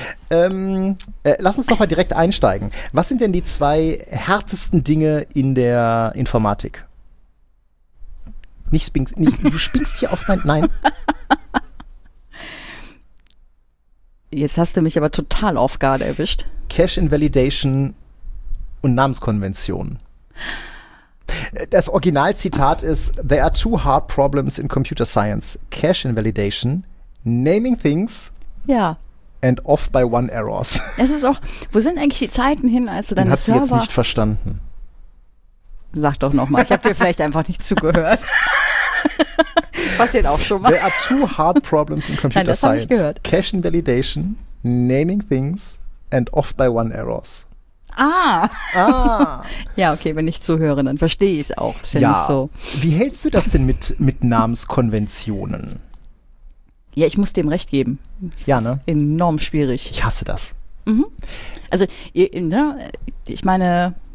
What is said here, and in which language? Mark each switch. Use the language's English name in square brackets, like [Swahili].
[German] Lass uns doch mal direkt einsteigen. Was sind denn die zwei härtesten Dinge in der Informatik? Du spinkst hier auf mein... Nein. Jetzt hast du mich aber total auf Guard erwischt. Cache Invalidation und Namenskonvention. Das Originalzitat ist: [English] There are two hard problems in computer science. Cache Invalidation, naming things... [German] Ja. [English] And off by one errors. [German] Es ist auch, wo sind eigentlich die Zeiten hin, als du deine Server... Den hast du jetzt nicht verstanden. Sag doch nochmal, ich habe dir vielleicht einfach nicht zugehört. Passiert auch schon mal. [English] There are two hard problems in computer science. [German] Nein, das habe ich gehört. [English] Cache invalidation, naming things and off by one errors. Ah. [German] Ja, okay, wenn ich zuhöre, dann verstehe ich es auch. Ist ja nicht so. Wie hältst du das denn mit Namenskonventionen? Ja, ich muss dem recht geben. Das ja, ne? Ist enorm schwierig. Ich hasse das. Mhm. Also, ne, ich meine,